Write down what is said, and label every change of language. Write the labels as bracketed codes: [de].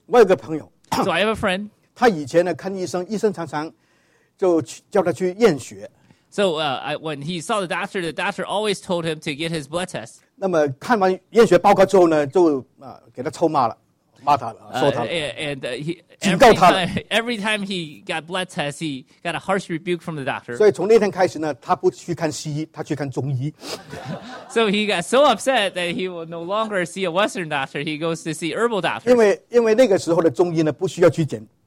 [zh] 我有个朋友。 [en] So I have a friend. [zh] 他以前呢看医生，医生常常就叫他去验血。 [en] So when he saw the doctor always told him to get his blood test. [zh] 那么看完验血报告之后呢，就给他臭骂了，骂他了，说他了。警告他了。 [en] Every time he got blood test, he got a harsh rebuke from the doctor. [zh] 所以从那天开始呢，他不去看西医，他去看中医。 [en] So he got so upset that he will no longer see a Western doctor. He goes to see herbal doctors. [zh] 因为那个时候的中医呢，不需要去检。